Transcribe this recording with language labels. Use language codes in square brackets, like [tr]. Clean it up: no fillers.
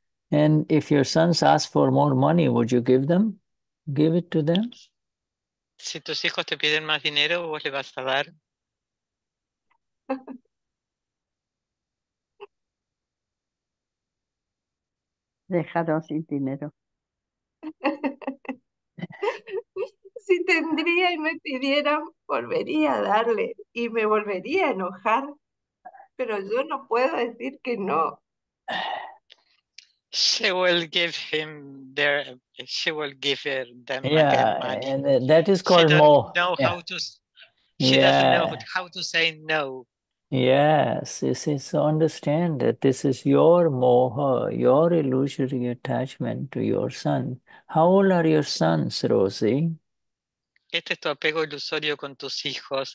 [en] And if your sons ask for more money, would you give it to them? [es] Si tus hijos te piden más dinero, ¿vos le vas a dar? Dejaron sin dinero. Si tendría y me pidieran, volvería a darle y me volvería a enojar. Pero yo no puedo decir que no. [en] She will give them again money. Yeah, and that is called more. She doesn't know how to say no. Yes, this is so understand that this is your moha, your illusory attachment to your son. How old are your sons, Rosie? [es] Este es tu apego ilusorio con tus hijos.